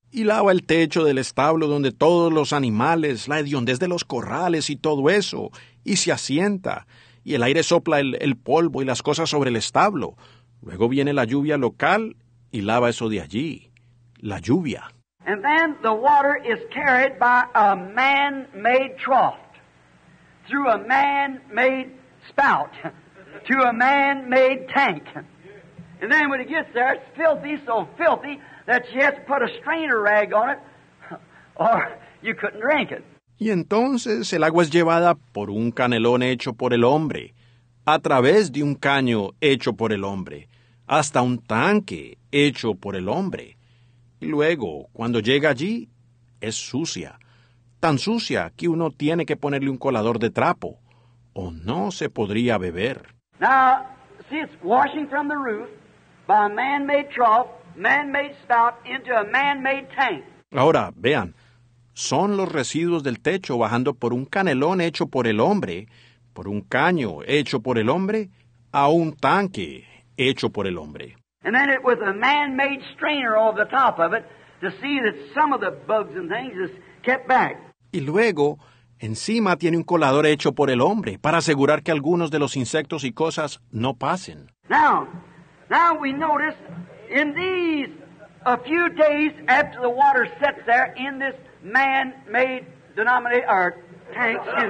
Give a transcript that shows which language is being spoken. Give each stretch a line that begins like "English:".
Spanish: Y lava el techo del establo donde todos los animales, la hediondez de los corrales y todo eso, y se asienta. Y el aire sopla el polvo y las cosas sobre el establo. Luego viene la lluvia local y lava eso de allí. La lluvia.
English: And then the water is carried by a man-made trough through a man-made spout to a man-made tank. And then when it gets there, it's filthy, so filthy that you have to put a strainer rag on it or you couldn't drink it.
Spanish: Y entonces el agua es llevada por un canelón hecho por el hombre, a través de un caño hecho por el hombre, hasta un tanque hecho por el hombre. Y luego, cuando llega allí, es sucia. Tan sucia que uno tiene que ponerle un colador de trapo, o no se podría beber.
English: Now, see, it's washing from the roof by a man-made trough, man-made spout, into a man-made tank.
Spanish: Ahora, vean, son los residuos del techo bajando por un canelón hecho por el hombre, por un caño hecho por el hombre, a un tanque hecho por el hombre.
English: And then it with a man-made strainer over the top of it to see that some of the bugs and things is kept back.
Spanish: Y luego, encima tiene un colador hecho por el hombre para asegurar que algunos de los insectos y cosas no pasen.
English: Now we notice in these a few days after the water sets there in this man-made denominator tank.